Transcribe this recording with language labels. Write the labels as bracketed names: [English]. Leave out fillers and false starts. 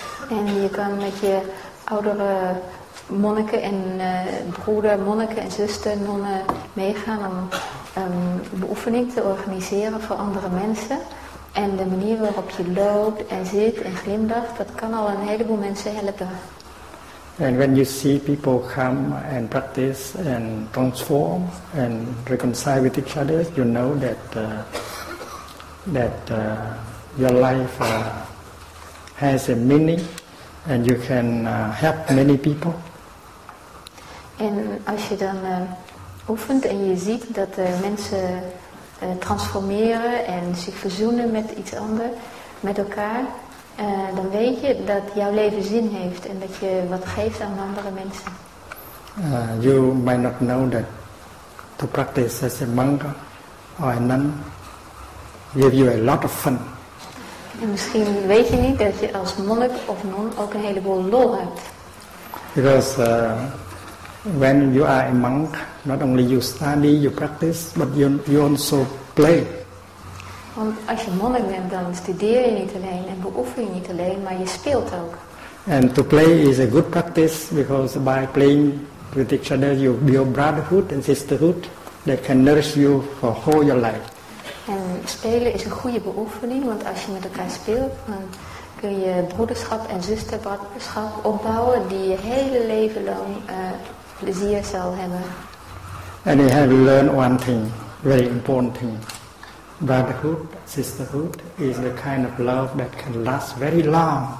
[Dutch] En je kan met je oudere monniken en broeder, monniken en zuster, nonnen meegaan om beoefening te organiseren voor andere mensen. En de manier waarop je loopt en zit en glimlacht, dat kan al een heleboel mensen helpen. [English] And when you see people come and practice and transform and reconcile with each other, you know that your life has a meaning, and you can help many people. [Dutch] En als je dan oefent en je ziet dat mensen transformeren en zich verzoenen met iets anders, met elkaar, dan weet je dat jouw leven zin heeft en dat je wat geeft aan andere mensen. [English] You might not know that to practice as a monk or a nun gives you a lot of fun. [Dutch] En misschien weet je niet dat je als monnik of non ook een heleboel lol hebt. [English] Because when you are a monk, not only you study, you practice, but you also play. [Dutch] Want als je monnik bent, dan studeer je niet alleen en beoefen je niet alleen, maar je speelt ook. [English] And to play is a good practice, because by playing with each other, you build brotherhood and sisterhood that can nourish you for whole your life. [Dutch] En spelen is een goede beoefening, want als je met elkaar speelt, dan kun je broederschap en zusterschap opbouwen die je hele leven lang plezier zal hebben. [English] And you have learned one thing, very important thing. Brotherhood, sisterhood is the kind of love that can last very long.